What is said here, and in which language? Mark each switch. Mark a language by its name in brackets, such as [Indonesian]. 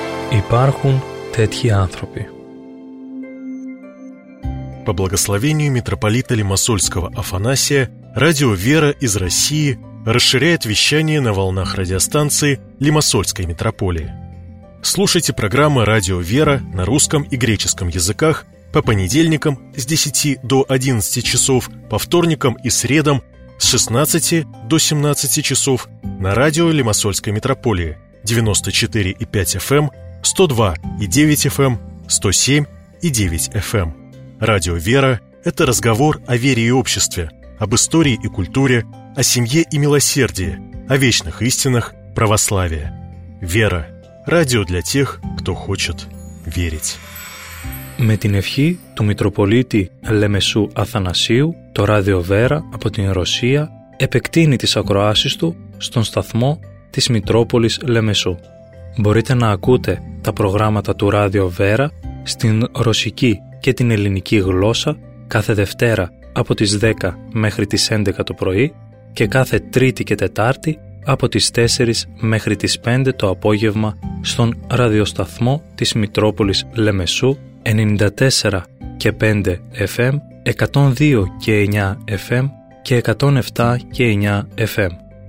[Greek] Υπάρχουν τέτοιοι άνθρωποι. [Russian] По благословению митрополита Лимассольского Афанасия, радио «Вера» из России расширяет вещание на волнах радиостанции Лимассольской митрополии. Слушайте программы «Радио «Вера» на русском и греческом языках по понедельникам с 10 до 11 часов, по вторникам и средам с 16 до 17 часов на радио Лимассольской митрополии 94,5 FM, 102,9 FM, 107,9 FM. Радио «Вера» – это разговор о вере и обществе, об истории и культуре, о семье и милосердии, о вечных истинах православия. «Вера» – радио для тех, кто хочет верить. [Greek] Με την ευχή του Μητροπολίτη Λεμεσού Αθανασίου, το Ράδιο «Βέρα» από την Ρωσία επεκτείνει τις ακροάσεις του στον σταθμό της Μητρόπολης Λεμεσού. Μπορείτε να ακούτε τα προγράμματα του Ράδιο «Βέρα» στην ρωσική και την ελληνική γλώσσα κάθε Δευτέρα από τις 10 μέχρι τις 11 το πρωί και κάθε Τρίτη και Τετάρτη από τις 4 μέχρι τις 5 το απόγευμα στον ραδιοσταθμό της Μητρόπολης Λεμεσού 94 και 5 FM, 102 και 9 FM και 107 και 9 FM.